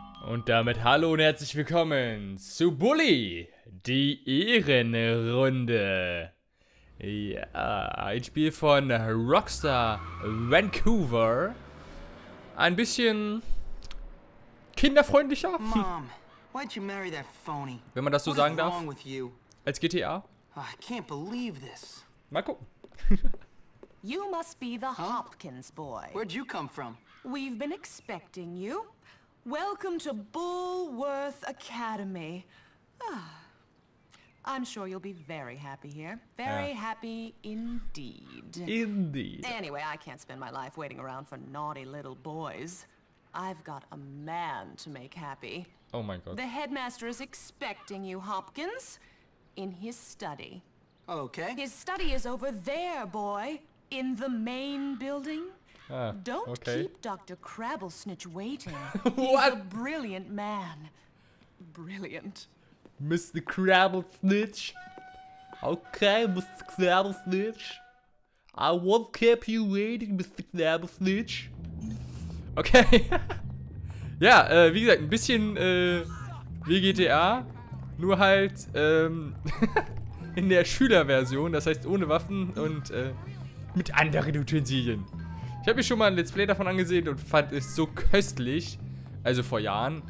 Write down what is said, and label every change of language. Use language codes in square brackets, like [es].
[de] Und damit hallo und herzlich willkommen zu Bully, die Ehrenrunde. Ja, ein Spiel von Rockstar Vancouver. Ein bisschen kinderfreundlicher. [en] Mom, why'd you marry that phony? [de] Wenn man das so [en] what [de] sagen [en] is [de] darf. [en] Wrong with you? [de] Als GTA. [en] Oh, I can't believe this. [de] Mal gucken. [en] You must be the Hopkins boy. Where'd you come from? We've been expecting you. Welcome to Bullworth Academy. I'm sure you'll be very happy here. Very happy indeed. Indeed. Anyway, I can't spend my life waiting around for naughty little boys. I've got a man to make happy. Oh my God. The headmaster is expecting you, Hopkins, in his study. Okay. His study is over there, boy, in the main building. Don't keep Dr. Crabblesnitch waiting. What? He's a brilliant man. Brilliant. Mr. Crabblesnitch. Okay, Mr. Crabblesnitch. I won't keep you waiting, Mr. Crabblesnitch. Okay. [de] Ja, wie gesagt, ein bisschen wie GTA. Nur halt in der Schülerversion. Das heißt ohne Waffen und mit anderen Utensilien. Ich habe mir schon mal ein Let's Play davon angesehen und fand es so köstlich. Also vor Jahren.